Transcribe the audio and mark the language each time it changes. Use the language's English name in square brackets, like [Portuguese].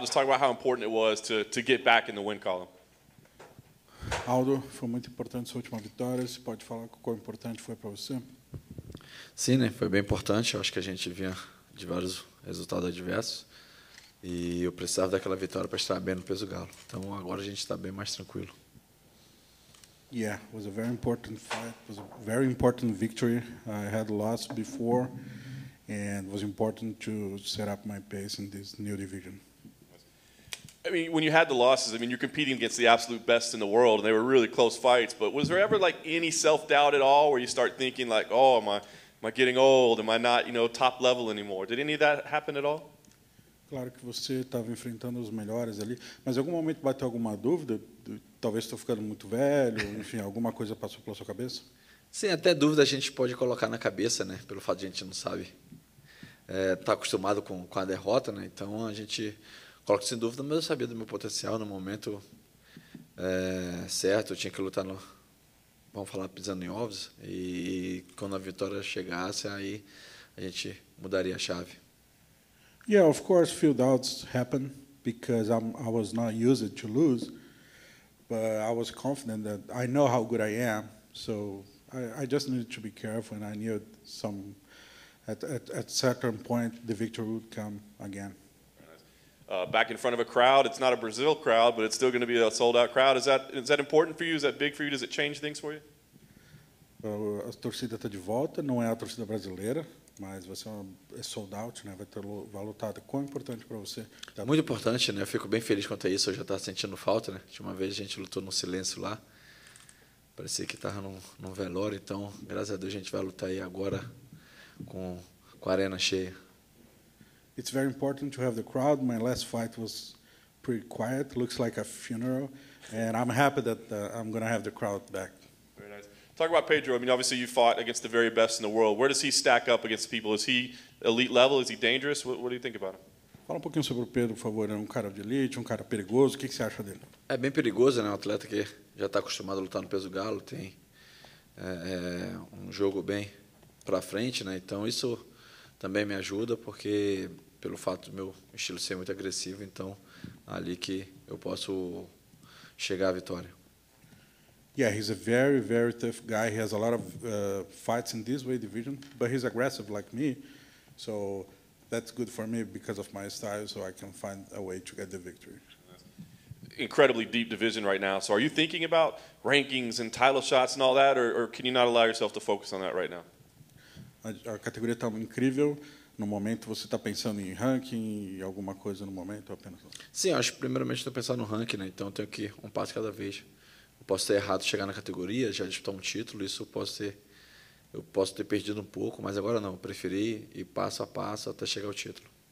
[English] Just talk about how important it was to get back in the win column. [Portuguese] Aldo, foi muito importante sua última vitória. Você pode falar quão importante foi para você? Sim, né? Foi bem importante. Eu acho que a gente vinha de vários resultados adversos. E eu precisava daquela vitória para estar bem no peso galo. Então agora a gente está bem mais tranquilo. [English] Yeah, it was a very important fight. It was a very important victory. I had lost before, and it was important to set up my pace in this new division. I mean, when you had the losses, I mean, you're competing against the absolute best in the world, and they were really close fights. But was there ever like any self-doubt at all, where you start thinking like, "Oh, am I getting old? Am I not, you know, top level anymore?" Did any of that happen at all? [Portuguese] Claro que você estava enfrentando os melhores ali, mas em algum momento bateu alguma dúvida? Talvez estou ficando muito velho, enfim, alguma coisa passou pela sua cabeça? Sim, até dúvida a gente pode colocar na cabeça, né? Pelo fato de a gente não sabe, tá acostumado com a derrota, né? Então a gente coloca isso em dúvida, mas eu sabia do meu potencial no momento certo, eu tinha que lutar no, vamos falar, pisando em ovos, e quando a vitória chegasse, aí a gente mudaria a chave. [English] Yeah, of course, few doubts happen because I was not used to lose, but I was confident that I know how good I am, so I just needed to be careful, and I knew some at certain point the victory would come again. Back in front of a crowd, it's not a Brazil crowd, but it's still going to be a sold-out crowd. Is that important for you? Is that big for you? Does it change things for you? [Portuguese] A torcida está de volta, não é a torcida brasileira. Mas você é sold out, né? Vai lutar. Quão importante para você? Muito importante, né? Eu fico bem feliz quanto a isso. Eu já estava sentindo falta, né? De uma vez a gente lutou no silêncio lá. Parecia que estava num velório. Então, graças a Deus, a gente vai lutar aí agora com a arena cheia. [English] It's very important to have the crowd. My last fight was pretty quiet. Looks like a funeral. And I'm happy that I'm going to have the crowd back. Talk about Pedro. I mean, obviously, you fought against the very best in the world. Where does he stack up against people? Is he elite level? Is he dangerous? What do you think about him? [Portuguese] Fala um pouquinho sobre o Pedro, por favor. É um cara de elite, um cara perigoso. O que você acha dele? É bem perigoso, né? Um atleta que já está acostumado a lutar no peso galo, tem um jogo bem para frente, né? Então isso também me ajuda, porque pelo fato do meu estilo ser muito agressivo, então ali que eu posso chegar à vitória. [English] Yeah, he's a very, very tough guy. He has a lot of fights in this weight division, but he's aggressive like me. So that's good for me because of my style, so I can find a way to get the victory. Incredibly deep division right now. So are you thinking about rankings and title shots and all that, or can you not allow yourself to focus on that right now? [Portuguese] A categoria está incrível. No momento, você está pensando em ranking e alguma coisa no momento? Apenas... Sim, acho que primeiramente estou pensando no ranking, né? Então eu tenho que ir um passo cada vez. Posso ter errado chegar na categoria, já disputar um título, isso eu posso ter perdido um pouco, mas agora não, preferi ir passo a passo até chegar ao título.